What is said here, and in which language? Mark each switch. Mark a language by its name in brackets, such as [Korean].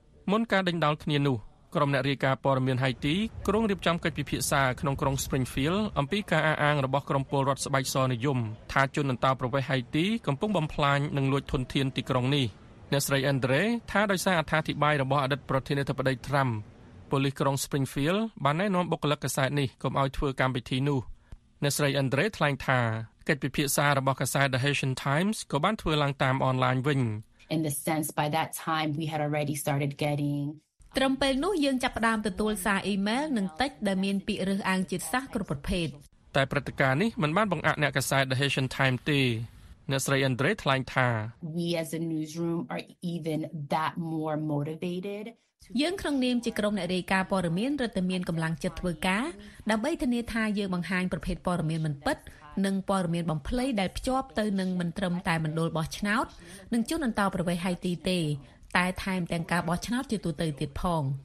[Khmer] មុនការដេញដោលគ្នានោះក្រុមអ្នករាយការណ៍ព័ត៌មាន Haiti គ្រងរៀបចំកិច្ចពិភាក្សាក្នុងក្រុង Springfield អំពីការអះអាងរបស់ក្រុមពលរដ្ឋស្បែកសរនិយមថាជនអន្តោប្រវេសន៍ Haiti កំពុងបំផ្លាញនិងលួចធនធានទីក្រុងនេះអ្នកស្រី Andre ថាដោយសារអត្ថាធិប្បាយរបស់អតីតប្រធានាធិបតី Trump ពលិសក្រុង Springfield បានណែនាំបុគ្គលិកកាសែតនេះកុំឲ្យធ្វើកម្មវិធីនោះអ្នកស្រី Andre ថ្លែងថាកិច្ចពិភាក្សារបស់កាសែត The Haitian Times ក៏បានធ្វើឡើងតាមអនឡាញវិញ [English] In the sense by that time we had already started getting [Khmer] ត្រឹមពេលនោះយើងចាប់ផ្ដើមទទួលសារអ៊ីមែលនិងតិចដែលមានពាក្យរើសអើងជាតិសាសន៍គ្រប់ប្រភេទ តែព្រឹត្តិការណ៍នេះមិនបានបង្អាក់អ្នកកាសែត The Haitian Times ទេអ្នកស្រី Andre ថ្លែងថា [English] We as a newsroom are even that more motivated [Khmer] យើងក្នុងនាមជាក្រុមអ្នករាយការណ៍ព័ត៌មានរដ្ឋមានកម្លាំងចិត្តធ្វើការដើម្បីធានាថាយើងបង្ហាញប្រភេទព័ត៌មានមិនពិតនិងព័ត៌មានបំភ្លៃដែលភ្ជាប់ទៅនឹងមិនត្រឹមតែមណ្ឌលបោះឆ្នោតនិងជនអន្តោប្រវេសន៍ Haiti ទេតែថែមទាំងការបោះឆ្នោតជាទូទៅទៀតផង